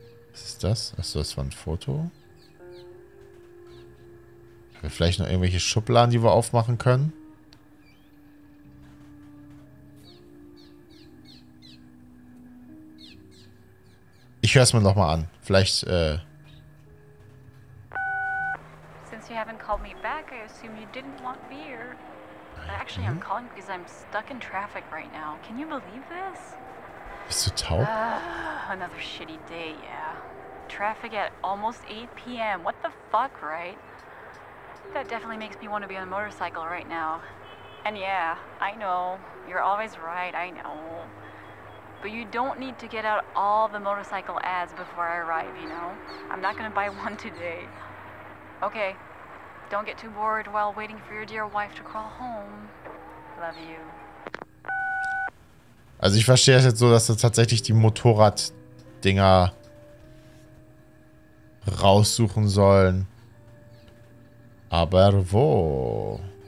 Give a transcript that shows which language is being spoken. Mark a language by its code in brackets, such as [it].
[de] Was ist das? Achso, das war ein Foto. Haben wir vielleicht noch irgendwelche Schubladen, die wir aufmachen können? Ich höre es mir nochmal an. Vielleicht, [en] You haven't called me back. I assume you didn't want beer. But actually, I'm calling because I'm stuck in traffic right now. Can you believe this? [de] Bist du taub? [en] Another shitty day, yeah. Traffic at almost 8 p.m. What the fuck, right? That definitely makes me want to be on a motorcycle right now. And yeah, I know. You're always right, I know. But you don't need to get out all the motorcycle ads before I arrive, you know? I'm not gonna buy one today. Okay. Don't get too bored while waiting for your dear wife to call home. Love you. [de] Also ich verstehe es jetzt so, dass du tatsächlich die Motorrad-Dinger raussuchen sollen. Aber wo?